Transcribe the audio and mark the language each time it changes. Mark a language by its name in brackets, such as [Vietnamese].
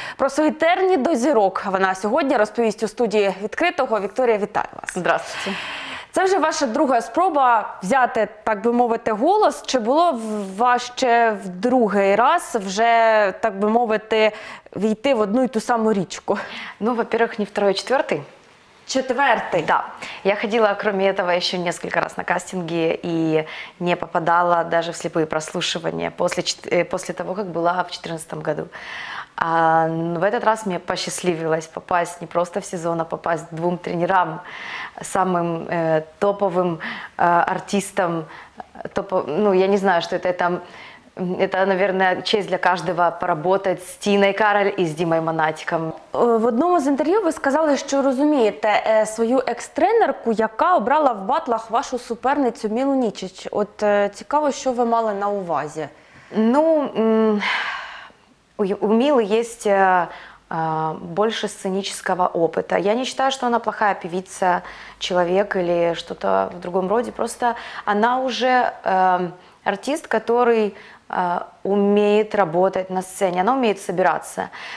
[Ukrainian] Про свої терні до зірок вона сьогодні розповість у студії «Відкритого». Вікторія, вітаю вас. [Russian] Здравствуйте. [Ukrainian] Це вже ваша друга спроба взяти, так би мовити, голос. Чи було важче в другий раз вже, так би мовити, війти в одну і ту саму річку? [Russian] Ну, во-первых, не второй, а [Ukrainian] четвертий. Четвертий? [Russian] Да. Я ходила, кроме этого, еще несколько раз на кастинги и не попадала даже в слепые прослушивания после того, как была в 14 году. А в этот раз мне посчастливилось попасть не просто в сезон, а попасть двум тренерам, самым топовым артистам. Я не знаю, что это, наверное, честь для каждого поработать с Тиной Кароль и с Димой Монатиком. [Ukrainian] В одному з інтерв'ю ви сказали, що розумієте свою екс-тренерку, яка обрала в батлах вашу суперницю Мілу Нічич. От цікаво, що ви мали на увазі? [Russian] Ну, у Милы есть больше сценического опыта. Я не считаю, что она плохая певица, человек или что-то в другом роде. Просто она уже артист, который умеет работать на сцене, она умеет собираться.